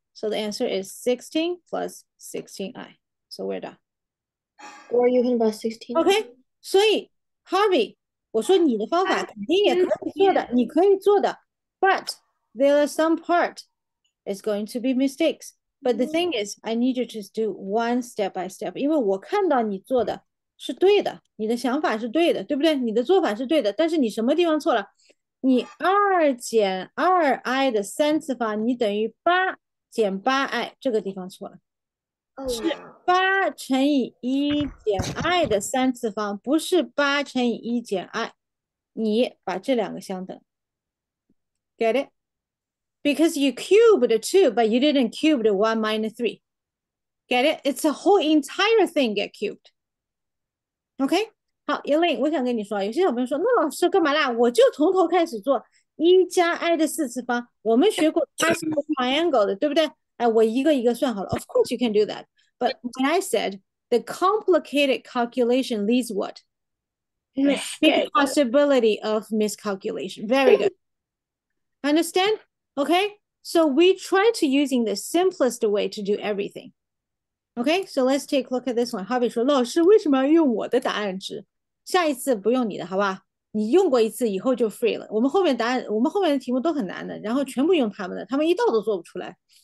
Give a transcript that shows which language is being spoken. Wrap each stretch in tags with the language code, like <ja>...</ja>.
<en>So the answer is 16 plus 16i. So we're done. Or you can buy 16.</en> <zh>Okay. 所以 Harvey, 我说你的方法肯定也可以做的，你可以做的。But</zh> <en>there are some part it's going to be mistakes. But the thing is, I need you to just do one step by step.</en> <zh>因为我看到你做的是对的，你的想法是对的，对不对？你的做法是对的，但是你什么地方错了？你二减二 i 的三次方，你等于八减八 i， 这个地方错了。是八乘以一减 i 的三次方，不是八乘以一减 i。你把这两个相等 ，</zh> <en>get it？ Because you cubed two, but you didn't cube the one minus three. Get it? It's a whole entire thing get cubed. Okay?</en> <zh>好 ，Elaine， 我想跟你说，有些小朋友说，那老师干嘛啦？我就从头开始做一加 i 的四次方。我们学过 possible triangle 的，对不对？哎，我一个一个算好了。</zh> <en>Of course you can do that. But when I said the complicated calculation leads what? The possibility of miscalculation. Very good. Understand? Okay, so we try to using the simplest way to do everything. Okay, so let's take a look at this one.</en> <zh>好比说，老师为什么要用我的答案值？下一次不用你的，好吧？你用过一次以后就 free 了。我们后面答案，我们后面的题目都很难的，然后全部用他们的，他们一道都做不出来。</zh>